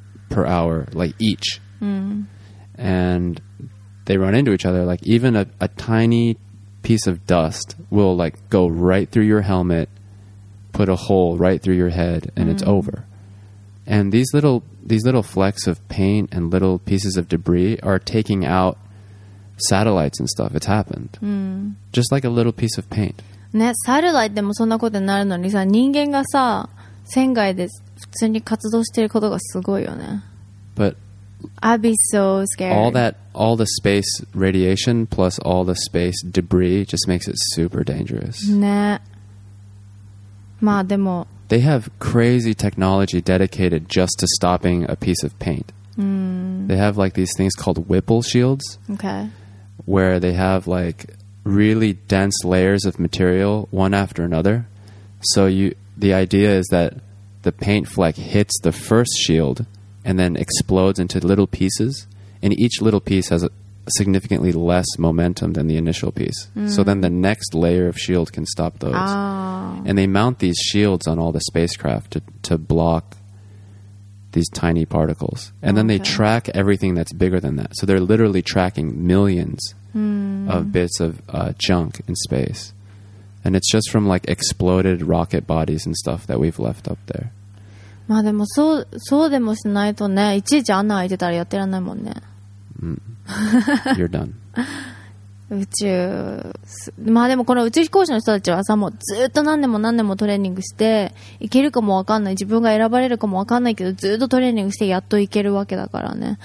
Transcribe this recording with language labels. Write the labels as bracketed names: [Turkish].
[English] per hour, like each and they run into each other, like even a tiny piece of dust will like go right through your helmet, put a hole right through your head and it's overAnd these little flecks of paint and little pieces of debris are taking out satellites and stuff. It's happened. Just like a little piece of paint. [Japanese] ね、サテライトでもそんなことになるのにさ、人間がさ、船外で普通に活動してることがすごいよね。 [English] But I'd be so scared. All the space radiation plus all the space debris just makes it super dangerous. [Japanese] ね。まあでも。 [English] They have crazy technology dedicated just to stopping a piece of paint. They have like these things called Whipple shields. Okay. Where they have like really dense layers of material one after another. So the idea is that the paint fleck hits the first shield and then explodes into little pieces. And each little piece has a significantly less momentum than the initial piece. So then the next layer of shield can stop those. Ah. And they mount these shields on all the spacecraft to block these tiny particles. And then they track everything that's bigger than that. So they're literally tracking millions of bits of junk in space. And it's just from like exploded rocket bodies and stuff that we've left up there. [Japanese] まあでもそうでもしないとね、いちいち穴開いてたらやってらんないもんね。 [English] You're done. [Japanese] 宇宙、まあでもこの宇宙飛行士の人たちはさ、もうずっと何年もトレーニングして、いけるかもわかんない、自分が選ばれるかもわかんないけど、ずっとトレーニングしてやっといけるわけだからね。